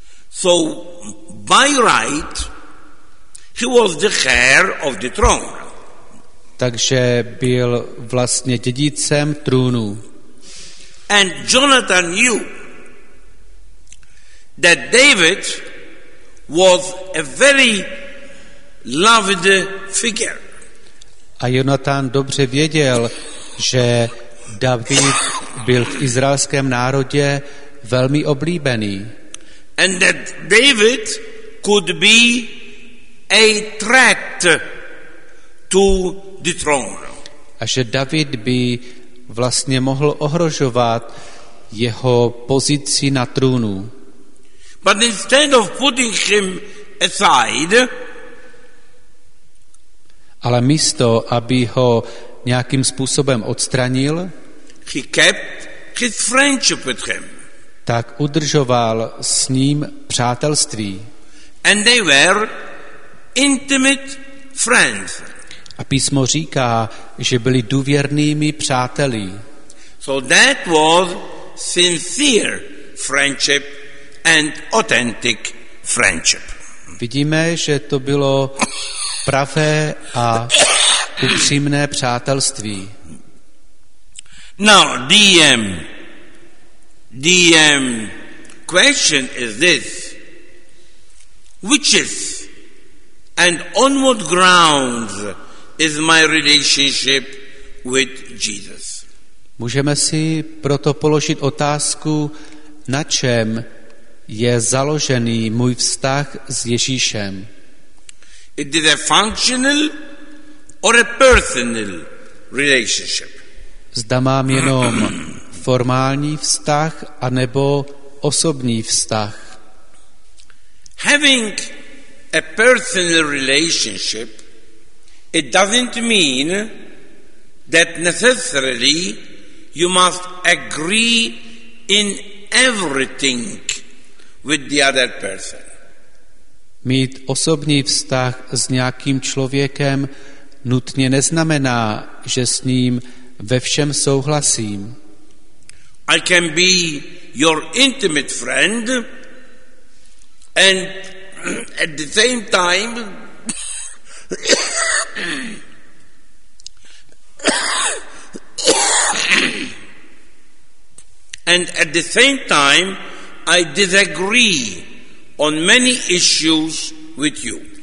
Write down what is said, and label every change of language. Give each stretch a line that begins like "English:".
English: So by right he was the heir of the throne.
Czech: Takže byl vlastně dědicem trůnu.
English: And Jonathan knew that David was a very loved figure.
Czech: A Jonathan dobře věděl, že David byl v izraelském národě velmi oblíbený.
English: And that David could be a threat to the throne.
Czech: A že David by vlastně mohl ohrožovat jeho pozici na trůnu.
English: But instead of putting him aside,
Czech: ale místo, aby ho nějakým způsobem odstranil,
English: he kept his friendship with him.
Czech: Tak udržoval s ním přátelství.
English: And they were intimate friends.
Czech: A písmo říká, že byli důvěrnými přáteli.
English: So that was sincere friendship and authentic friendship.
Czech: Vidíme, že to bylo pravé a upřímné přátelství.
English: Now, the question is this. Which is and on what grounds is my relationship with Jesus?
Czech: Můžeme si proto položit otázku, na čem je založený můj vztah s Ježíšem.
English: It is a functional or a personal relationship.
Czech: Zda mám jenom formální vztah anebo osobní vztah.
English: Having a personal relationship, it doesn't mean that necessarily you must agree in everything with the other person.
Czech: Mít osobní vztah s nějakým člověkem nutně neznamená, že s ním ve všem souhlasím.
English: I can be your intimate friend and at the same time I disagree on many issues with you.